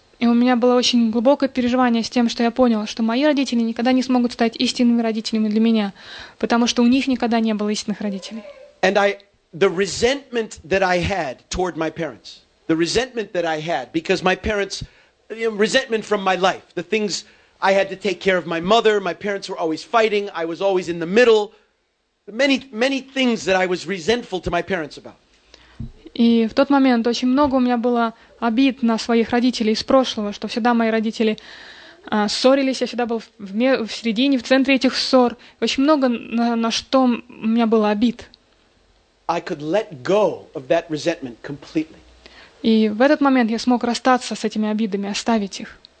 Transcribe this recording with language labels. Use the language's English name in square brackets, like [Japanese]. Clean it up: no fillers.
[Russian] И у меня было очень глубокое переживание с тем, что я понял, что мои родители никогда не смогут стать истинными родителями для меня, потому что у них никогда не было истинных родителей. [English] And the resentment that I had toward my parents. The resentment that I had because my parents, you know, resentment from my life, the things I had to take care of my mother, my parents were always fighting, I was always in the middle, many, many things that I was resentful to my parents about. [Russian] И в тот момент очень много у меня было обид на своих родителей из прошлого, что всегда мои родители ссорились, я всегда был в середине, в центре этих ссор. Очень много на что у меня было обид. [English] I could let go of that resentment completely. [Russian] И в этот момент я смог расстаться с этими обидами, оставить их.